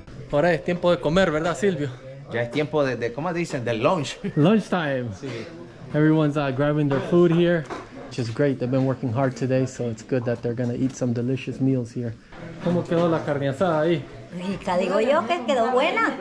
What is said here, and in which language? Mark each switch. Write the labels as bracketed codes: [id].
[es] Ahora es tiempo de comer, ¿verdad, Silvio? Ya es tiempo de ¿cómo dicen? De lunch. [en] Lunch time. [es] Sí. [en] Everyone's grabbing their food here, which is great. They've been working hard today, so it's good that they're going to eat some delicious meals here. [es] ¿Cómo quedó la carne asada ahí? Rica, digo yo, que quedó buena.